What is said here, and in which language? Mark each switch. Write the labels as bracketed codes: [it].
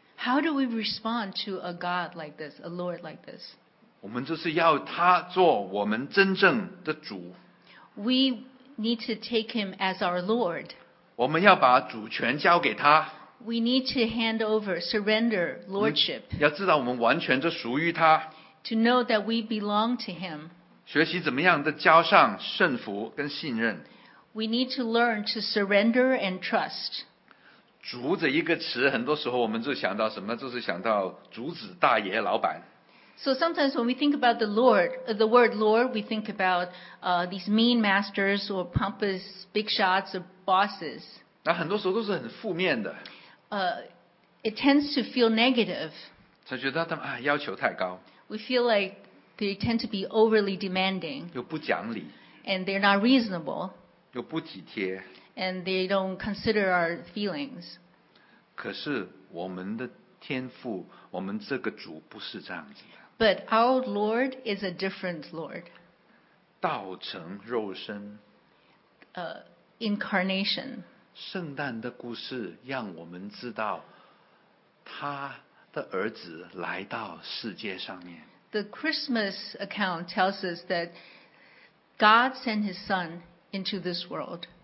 [en] How do we respond to a God like this, a Lord like this? [zh] 我们就是要他做我们真正的主。 [en] We need to take him as our Lord. [zh] 我们要把主权交给他。 [en] We need to hand over, surrender lordship. [zh] 要知道我们完全就属于他。 [en] To know that we belong to him. [zh] 学习怎么样的交上顺服跟信任。 [en] We need to learn to surrender and trust. [zh] 主这一个词，很多时候我们就想到什么？就是想到主子、大爷、老板。 [en] So sometimes when we think about the Lord, the word Lord, we think about these mean masters or pompous big shots or bosses. [zh] 那很多时候都是很负面的。 [en] It tends to feel negative. [zh] 才觉得他们啊，要求太高。 [en] We feel like they tend to be overly demanding. [zh] 又不讲理。 [en] And they're not reasonable. [zh] 又不体贴。 [en] And they don't consider our feelings. [zh] 可是我们的天父，我们这个主不是这样子的。 [en] But our Lord is a different Lord. [zh] 道成肉身。 [en] Incarnation. [zh] 圣诞的故事让我们知道他的儿子来到世界上面。 [en] The Christmas account tells us that God sent his son into this world.